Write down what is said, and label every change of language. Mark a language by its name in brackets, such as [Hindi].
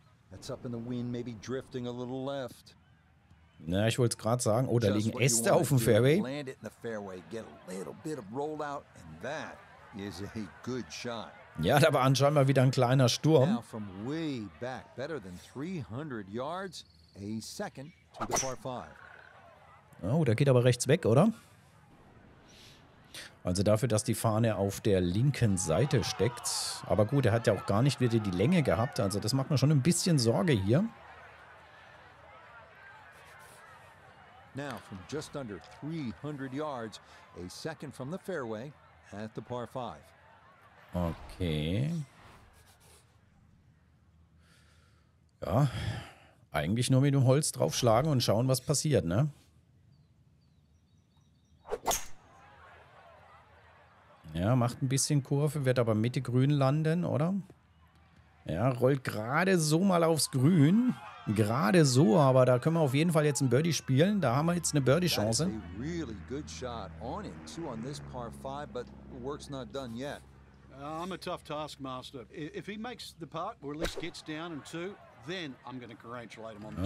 [English] That's up in the wind, maybe drifting a little left. [German] Na, ich wollte es gerade sagen. Oh, da liegen Äste auf dem Fairway. [English] Land it in the fairway, get a little bit of rollout, and that is a good shot. [German] Ja, da war anscheinend mal wieder ein kleiner Sturm. [English] Now from way back, better than 300 yards, a second to the par 5. [German] Oh, der geht aber rechts weg, oder? Also dafür, dass die Fahne auf der linken Seite steckt. Aber gut, er hat ja auch gar nicht wieder die Länge gehabt. Also das macht mir schon ein bisschen Sorge hier. [English] Now from just under 300 yards, a second from the fairway at the par 5. Okay. [German] Ja, eigentlich nur mit dem Holz draufschlagen und schauen, was passiert, ne? Ja, macht ein bisschen Kurve, wird aber Mitte grün landen, oder? Ja, rollt gerade so mal aufs Grün. Gerade so, aber da können wir auf jeden Fall jetzt einen Birdie spielen. Da haben wir jetzt eine Birdie-Chance. [English] A really good shot on it, too, on this par 5, but work's not done yet. I'm a tough taskmaster. If he makes the putt, or at least gets down in two, then I'm going to congratulate him on this.